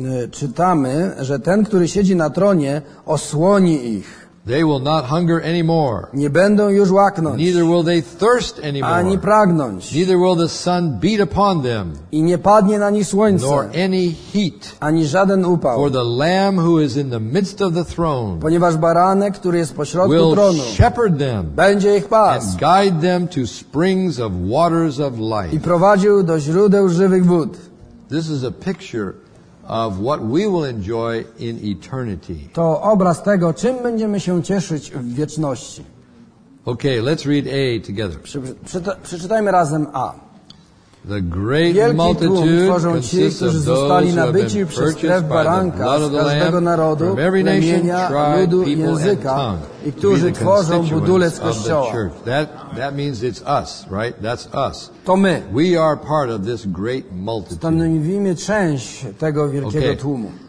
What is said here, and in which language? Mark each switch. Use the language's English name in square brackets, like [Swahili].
[Polish] Czytamy, że ten, który siedzi na tronie, osłoni ich. [English] They will not hunger anymore. [Polish] Nie będą już łaknąć. [English] Neither will they thirst anymore. [Polish] Ani pragnąć. [English] Neither will the sun beat upon them. [Polish] I nie padnie na nich słońce. [English] Nor any heat. [Polish] Ani żaden upał. [English] For the Lamb who is in the midst of the throne. [Polish] Ponieważ baranek, który jest pośrodku [English] will [Polish] tronu. [English] Will shepherd them. [Polish] Będzie ich pas. [English] And guide them to springs of waters of life. [Polish] I prowadził do źródeł żywych wód. [English] This is a picture of what we will enjoy in eternity. [Polish] To obraz tego, czym będziemy się cieszyć w wieczności. [English] Okay, let's read A together. [Polish] Przeczytajmy razem A. [English] The great multitude consists of those who have been purchased by the blood of the Lamb from every nation, tribe, people, and tongue to be the constituents of the church. That means it's us, right? That's us. [Polish] To my. [English] We are part of this great multitude. [Polish] Część tego wielkiego tłumu.